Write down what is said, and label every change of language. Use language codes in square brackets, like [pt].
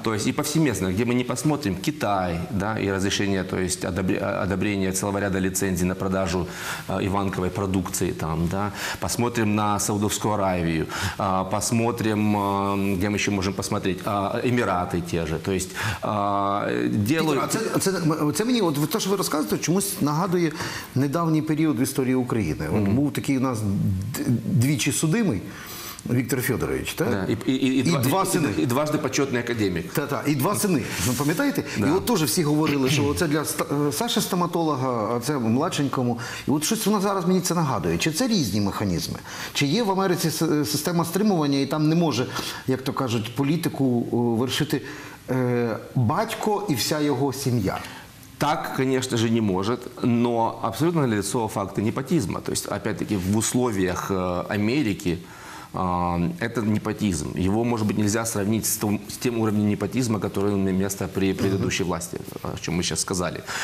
[ru] То есть и повсеместно, где мы не посмотрим, Китай, да, и разрешение, то есть одобрение целого ряда лицензий на продажу Иванковой продукции там, да. Посмотрим на Саудовскую Аравию, посмотрим, где мы еще можем посмотреть, Эмираты те же. То есть делают... Это мне, вот то, что вы рассказываете, [uk] чомусь нагадує недавній період в історії України. От був такий у нас двічі судимий Віктор Федорович, так? І дважды почетний академік. Та, і два сини. Ну, пам'ятаєте? Да. І от теж всі говорили, що це для Саші-стоматолога, а це младшенькому. І от щось воно зараз мені це нагадує. Чи це різні механізми? Чи є в Америці система стримування, і там не може, як то кажуть, політику вершити батько і вся його сім'я? [ru] Так, конечно же, не может, но абсолютно налицо факты непотизма. То есть, опять-таки, в условиях Америки это непотизм. Его, может быть, нельзя сравнить с тем уровнем непотизма, который имел место при предыдущей власти, о чем мы сейчас сказали.